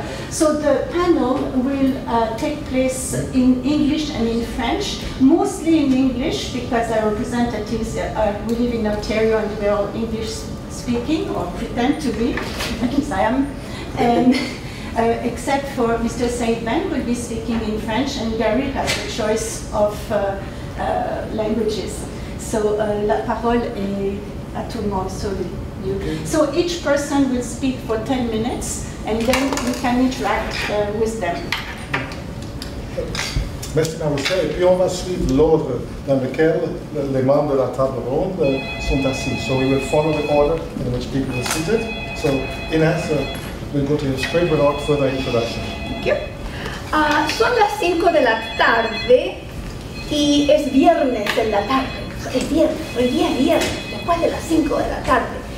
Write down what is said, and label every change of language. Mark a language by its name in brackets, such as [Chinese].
[English] So the panel will take place in English and in French, mostly in English because our representatives we live in Ontario and we're all English speaking, or pretend to be, at least I am, and except for Mr. Saïd Ben, who will be speaking in French, and Gary has a choice of languages. [French] So la parole est à tout le monde. [English] So each person will speak for 10 minutes, and then we can interact with them. [French] Merci, Mme. Et puis on va suivre l'ordre dans lequel les membres de la table ronde sont assis. [English] So we will follow the order in which people are seated. So Inès, we'll go to you straight without further introduction. Thank you. [Spanish] Son las 5 de la tarde y es viernes en la tarde. Es viernes, hoy día viernes, después de las 5 de la tarde.